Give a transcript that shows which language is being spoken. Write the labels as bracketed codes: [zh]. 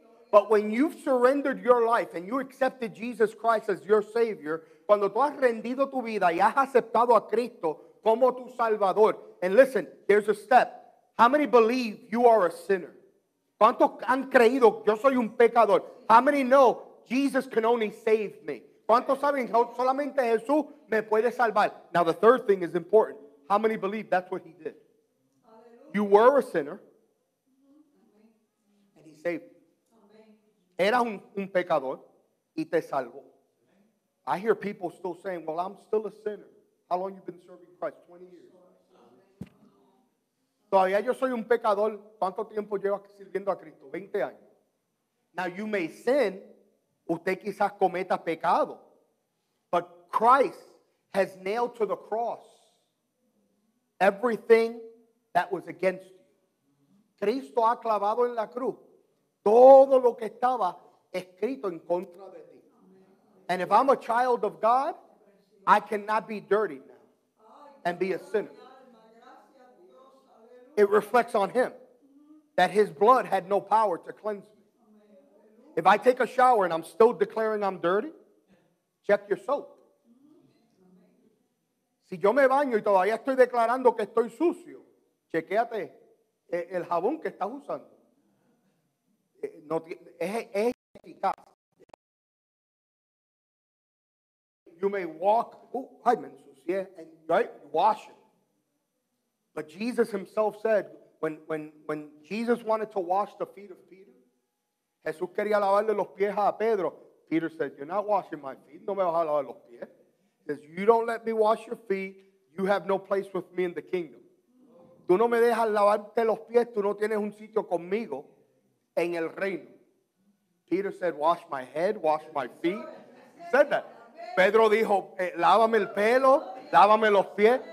[en] But when you've surrendered your life and you accepted Jesus Christ as your Savior, [es] cuando tú has rendido tu vida y has aceptado a Cristo como tu Salvador, [en] and listen, there's a step. How many believe you are a sinner? [es] ¿Cuántos han creído yo soy un pecador? [en] How many know Jesus can only save me? [es] ¿Cuántos saben solamente Jesús me puede salvar? [en] Now the third thing is important. How many believe that's what he did? You were a sinner. And he saved you. [es] Eras un pecador y te salvó. [en] I hear people still saying, well, I'm still a sinner. How long have you been serving Christ? 20 years. [es] Todavía yo soy un pecador. ¿Cuánto tiempo llevas sirviendo a Cristo? 20 años. [en] Now you may sin. [es] Usted quizás cometa pecado. [en] But Christ has nailed to the cross everything that was against you. [es] Cristo ha clavado en la cruz todo lo que estaba escrito en contra de ti. [en] And if I'm a child of God, I cannot be dirty now and be a sinner. It reflects on him that his blood had no power to cleanse me. If I take a shower and I'm still declaring I'm dirty, check your soap. [es] Si yo me baño y todavía estoy declarando que estoy sucio, chequéate el jabón que estás usando. No, es eficaz. [en] You may walk, I mean, right? Wash it. But Jesus himself said, when Jesus wanted to wash the feet of Peter, [es] Jesús quería lavarle los pies a Pedro. [en] Peter said, you're not washing my feet. [es] No me vas a lavar los pies. [en] He says, you don't let me wash your feet. You have no place with me in the kingdom. [es] Tú no me dejas lavarte los pies. Tú no tienes un sitio conmigo en el reino. [en] Peter said, wash my head, wash my feet. He said that. [es] Pedro dijo, lávame el pelo, lávame los pies.